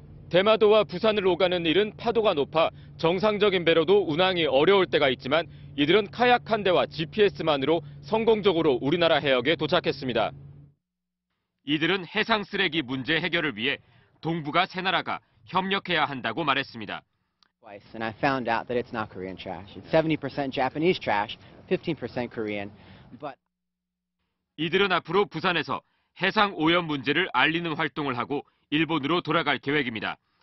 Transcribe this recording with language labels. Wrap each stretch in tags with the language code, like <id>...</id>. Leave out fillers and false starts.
<ko>대마도와 부산을 오가는 일은 파도가 높아 정상적인 배로도 운항이 어려울 때가 있지만 이들은 카약 한 대와 GPS만으로 성공적으로 우리나라 해역에 도착했습니다. 이들은 해상 쓰레기 문제 해결을 위해 동북아 세 나라가 협력해야 한다고 말했습니다.</ko> <en>And I found out that it's not Korean trash. It's 70% Japanese trash, 15% Korean. But</en> <ko>이들은 앞으로 부산에서 해상 오염 문제를 알리는 활동을 하고 일본으로 돌아갈 계획입니다.</ko>